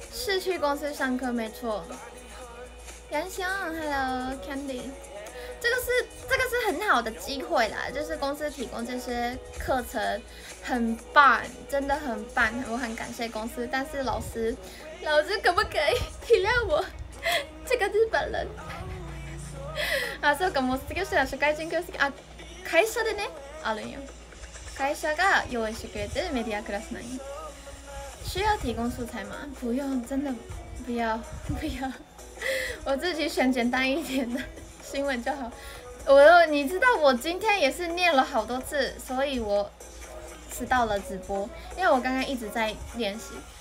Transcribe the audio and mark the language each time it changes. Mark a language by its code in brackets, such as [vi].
[zh] 是去公司上课，没错。杨翔 ，Hello Candy， 这个是很好的机会啦，就是公司提供这些课程，很棒，真的很棒，我很感谢公司。但是老师可不可以体谅我这个日本人？ [ja] 啊，そうか、もう卒業したら社会人教師、あ、会社でね、あるんよ。会社が用意してくれてるメディアクラスなに。 [zh] 需要提供素材吗？不用，真的不要不要，我自己选简单一点的新闻就好。你知道我今天也是念了好多次，所以我迟到了直播，因为我刚刚一直在练习。